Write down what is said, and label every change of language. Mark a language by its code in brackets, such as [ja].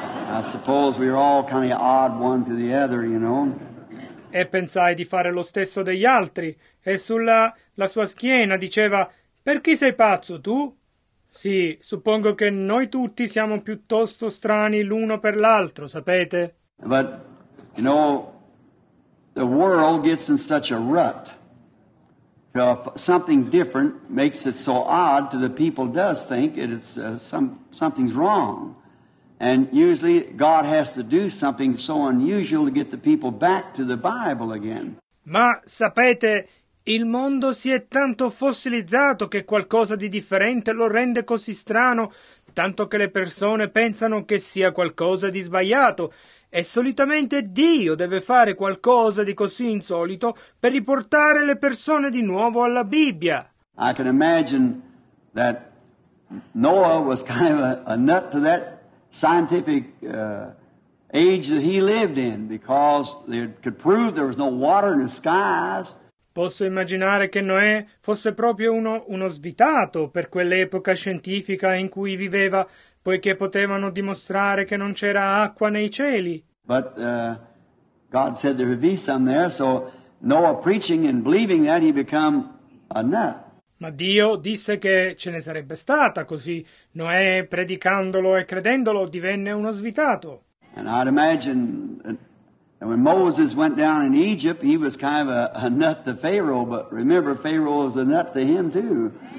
[en] I suppose we're all kind of odd one to the other, you know. [it] E pensai di fare lo stesso degli altri. E sulla la sua schiena diceva, per chi sei pazzo, tu? Sì, suppongo che noi tutti siamo piuttosto strani l'uno per l'altro, sapete? [en] But, you know, the world gets in such a rut. Something different makes it so odd to the people does think it is something's wrong. And usually God has to do something so unusual to get the people back to the Bible again. [it] Ma sapete, il mondo si è tanto fossilizzato che qualcosa di differente lo rende così strano, tanto che le persone pensano che sia qualcosa di sbagliato. E solitamente Dio deve fare qualcosa di così insolito per riportare le persone di nuovo alla Bibbia. [en] I can imagine that Noah was kind of a nut to that scientific age that he lived in, because they could prove there was no water in the skies. [it] Posso immaginare che Noè fosse proprio uno svitato per quell'epoca scientifica in cui viveva, poiché potevano dimostrare che non c'era acqua nei cieli. [en] But God said there would be some there, so Noah preaching and believing that he became a nut. [it] Ma Dio disse che ce ne sarebbe stata, così Noè, predicandolo e credendolo, divenne uno svitato. [en] And I'd imagine that when Moses went down in Egypt, he was kind of a nut to Pharaoh, but remember, Pharaoh was a nut to him too.